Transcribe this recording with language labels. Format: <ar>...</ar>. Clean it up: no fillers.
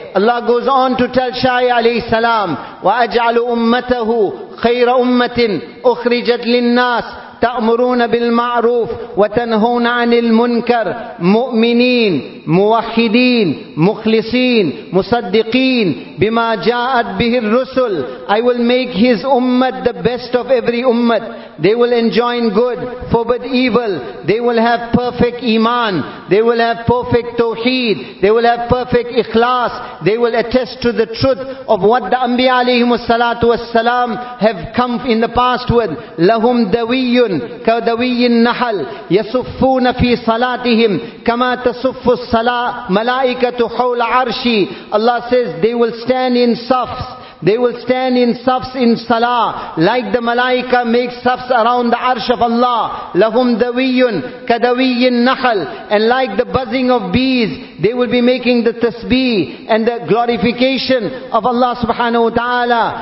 <en>Allah goes on to tell Shay alayhi salam,</en> <ar>وَأَجْعَلُ أُمَّتَهُ خَيْرَ أُمَّةٍ أُخْرِجَتْ لِلنَّاسِ تأمرون بالمعروف وتنهون عن المنكر مؤمنين موحدين مخلصين مصدقين بما جاءت به الرسل.</ar> <en>I will make his ummah the best of every ummah. They will enjoin good, forbid evil. They will have perfect iman. They will have perfect tawheed. They will have perfect ikhlas. They will attest to the truth of what the Anbiya alayhim salatu wassalam have come in the past with.</en> <ar>Lahum dawiyyun كدوي النحل يصفون في صلاتهم كما تصف الصلاة ملائكة حول عرشي.</ar> <en>Allah says they will stand in safs. They will stand in safs in salah, like the malaika make safs around the arsh of Allah.</en> <ar>Lahum dawiyun kadawiyin nahal.</ar> <en>And like the buzzing of bees, they will be making the tasbih and the glorification of Allah subhanahu wa ta'ala.</en>